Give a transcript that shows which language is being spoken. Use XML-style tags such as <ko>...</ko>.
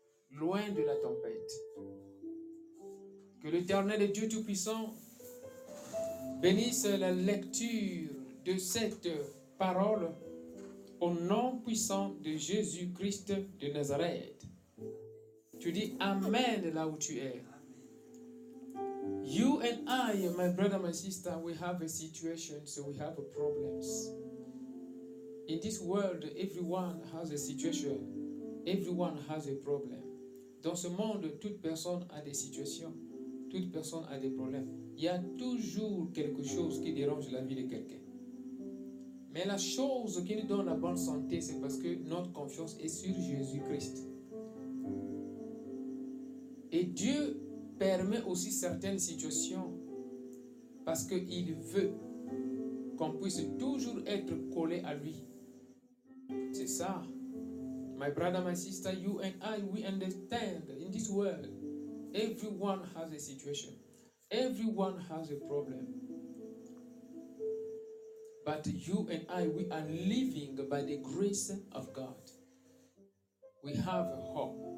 <fr>Loin de la tempête. Que l'Éternel Dieu Tout-Puissant bénisse la lecture de cette parole au nom puissant de Jésus-Christ de Nazareth. Tu dis Amen là où tu es.</fr> <en>You and I, my brother, my sister, we have a situation, so we have problems. In this world, everyone has a situation. Everyone has a problem.</en> <fr>Dans ce monde, toute personne a des situations. Toute personne a des problèmes. Il y a toujours quelque chose qui dérange la vie de quelqu'un. Mais la chose qui nous donne la bonne santé, c'est parce que notre confiance est sur Jésus-Christ. Et Dieu permet aussi certaines situations parce qu'il veut qu'on puisse toujours être collé à lui. C'est ça.</fr> <en>My brother, my sister, you and I, we understand in this world, everyone has a situation. Everyone has a problem. But you and I, we are living by the grace of God. We have hope.</en>